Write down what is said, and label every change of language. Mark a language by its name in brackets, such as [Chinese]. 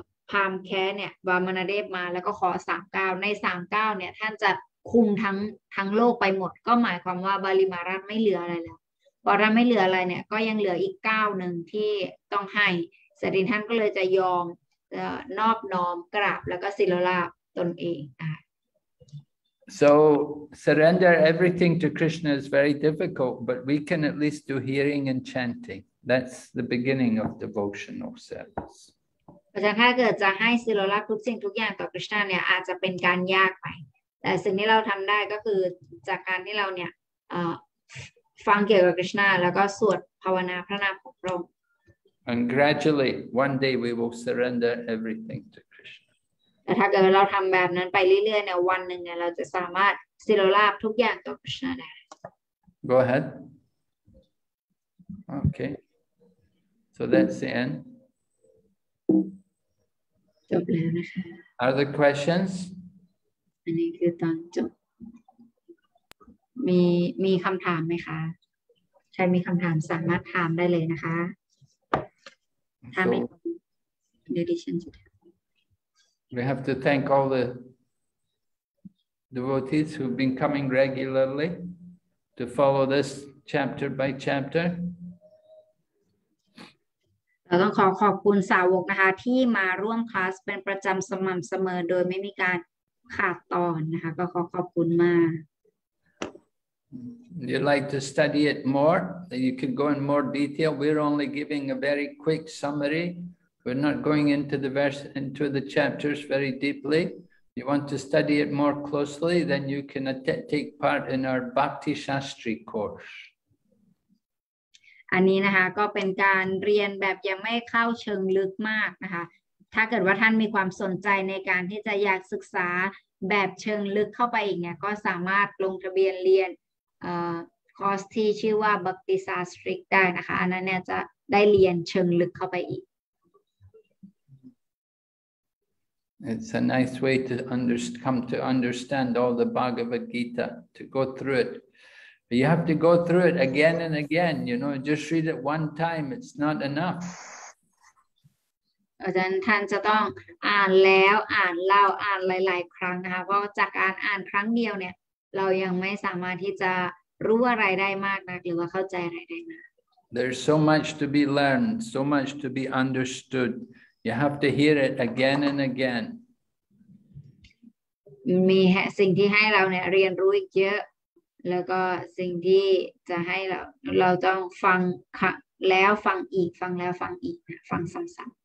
[Thai] พามแค้เนี่ยวามนาเดฟมาแล้วก็ขอ3ก้าวใน3ก้าวเนี่ยท่านจะคุมทั้งโลกไปหมดก็หมายความว่าบาลีมาราชไม่เหลืออะไรแล้วบาลีมาราชไม่เหลืออะไรเนี่ยก็ยังเหลืออีก9นึงที่ต้องให้สรินท่านก็เลยจะยอมนอบน้อมกราบแล้วก็ศิโรลาภตนเอง [English] So surrender everything to Krishna is very difficult, but we can at least do hearing and chanting. That's the beginning of devotional service. [Thai] ถ้าเกิดจะให้ศิโรลาภทุกสิ่งทุกอย่างต่อคริสต์เนี่ยอาจจะเป็นการยากไปแต่สิ่งที่เราทำได้ก็คือจากการที่เราเนี่ยฟังเกี่ยวกับคริสต์แล้วก็สวดภาวนาพระนามของพระองค์ [English] And gradually, one day we will surrender everything to. [Thai] แต่ถ้าเกิดเราทำแบบนั้นไปเรื่อยๆเนี่ยวันหนึ่งเนี่ยเราจะสามารถซิโรลาภทุกอย่างต่อคริสต์ได้ [English] Go ahead Okay So that's the end [Thai] จบแล้วนะคะ [English] Are there questions [Thai] อันนี้คือตอนจบมีคำถามไหมคะใครมีคำถามสามารถถามได้เลยนะคะถ้าไม่เดี๋ยวดิฉันจะ [English] We have to thank all the devotees who've been coming regularly to follow this chapter by chapter. [Thai] เราต้องขอขอบคุณสาวกนะคะที่มาร่วมคลาสเป็นประจำสม่ำเสมอโดยไม่มีการขาดตอนนะคะก็ขอขอบคุณมาก [English] You'd like to study it more? Then you can go in more detail. We're only giving a very quick summary. We're not going into the verse, into the chapters very deeply. You want to study it more closely, then you can take part in our Bhakti Shastri course. [Thai] อันนี้นะคะก็เป็นการเรียนแบบยังไม่เข้าเชิงลึกมากนะคะถ้าเกิดว่าท่านมีความสนใจในการที่จะอยากศึกษาแบบเชิงลึกเข้าไปอีกเนี่ยก็สามารถลงทะเบียนเรียนคอร์สที่ชื่อว่า Bhakti Shastri ได้นะคะอันนั้นเนี่ยจะได้เรียนเชิงลึกเข้าไปอีก [English] It's a nice way to come to understand all the Bhagavad Gita, to go through it. But you have to go through it again and again, you know, just read it one time, it's not enough. [Thai] อาจารย์ท่านจะต้องอ่านแล้วอ่านเล่าอ่านหลายๆครั้งนะคะเพราะจากการอ่านครั้งเดียวเนี่ยเรายังไม่สามารถที่จะรู้อะไรได้มากนักหรือว่าเข้าใจอะไรได้มาก [English] There's so much to be learned, so much to be understood. You have to hear it again and again. [Thai] มีสิ่งที่ให้เราเนี่ยเรียนรู้อีกเยอะแล้วก็สิ่งที่จะให้เราต้องฟังแล้วฟังอีกฟังแล้วฟังอีกฟังซ้ำ